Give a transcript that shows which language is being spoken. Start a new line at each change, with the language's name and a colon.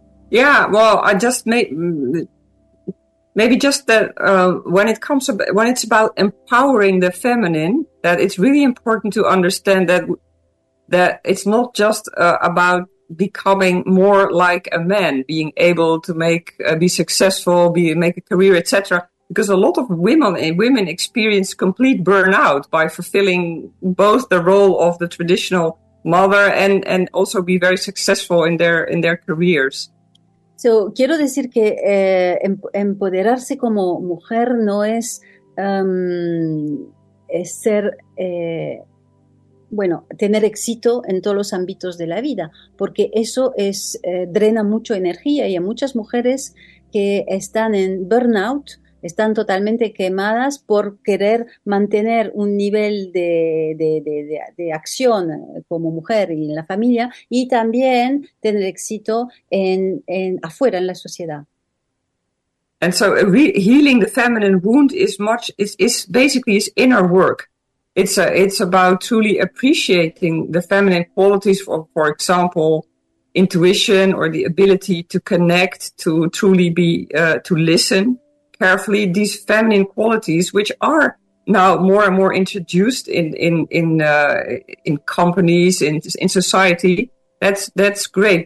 English: Yeah, well, I just maybe just that when it's about empowering the feminine, that it's really important to understand that it's not just about becoming more like a man, being able to make be successful, make a career, etc. Because a lot of women experience complete burnout by fulfilling both the role of the traditional mother and also be very successful in their careers.
Spanish: So quiero decir que empoderarse como mujer no es ser tener éxito en todos los ámbitos de la vida, porque eso es drena mucho energía y a muchas mujeres que están en burnout están totalmente quemadas por querer mantener un nivel de acción como mujer y en la familia y también tener éxito en afuera en la sociedad.
English: And so healing the feminine wound is basically inner work. It's about truly appreciating the feminine qualities for example intuition or the ability to connect, to truly be to listen carefully, these feminine qualities, which are now more and more introduced in companies, in society, that's great.